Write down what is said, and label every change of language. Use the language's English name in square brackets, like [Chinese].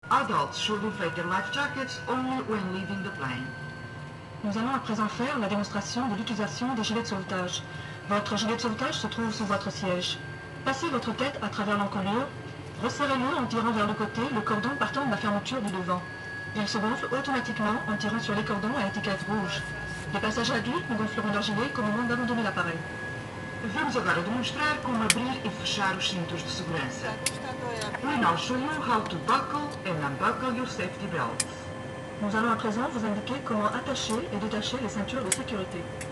[English] Adults should inflate their life jackets only when leaving the plane. [French] Nous allons à présent faire la démonstration de l'utilisation des gilets de sauvetage. Votre gilet de sauvetage se trouve sous votre siège. Passez votre tête à travers l'encolure. Resserrez-le en tirant vers le côté, le cordon partant de la fermeture du devant. Il se gonfle automatiquement en tirant sur les cordons à étiquette rouge. Les passagers adultes nous gonfleront leur gilet comme au moment d'abandonner l'appareil. [Portuguese] Vamos agora demonstrar como abrir e fechar os cintos de segurança. [English] We now show you how to buckle and unbuckle your safety belt. [French] Nous allons à présent vous indiquer comment attacher et détacher les ceintures de sécurité.